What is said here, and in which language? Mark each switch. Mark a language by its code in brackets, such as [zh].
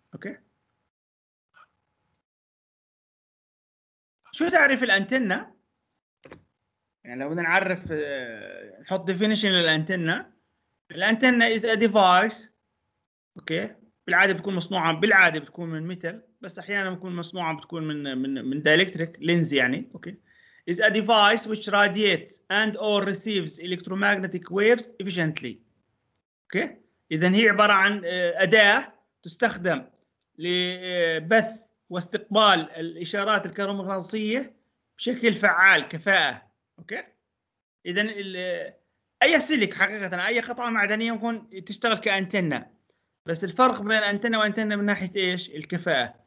[ar] اوكي، شو تعريف الانتنة؟ يعني لو بدنا نعرف نحط ديفينيشن للانتنة، الانتنة از ا ديفايس. اوكي، بالعاده بتكون من ميتال، بس احيانا بتكون مصنوعه بتكون من دايلكتريك لينز يعني. [en] Okay, is a device which radiates and or receives electromagnetic waves efficiently. [ar] اوكي، اذا هي عباره عن اداه تستخدم لبث واستقبال الاشارات الكهرومغناطيسيه بشكل فعال كفاءه. اوكي، اذا اي سلك حقيقه اي قطعه معدنيه ممكن تشتغل كأنتنة، بس الفرق بين أنتنة وأنتنة من ناحية إيش؟ الكفاءة.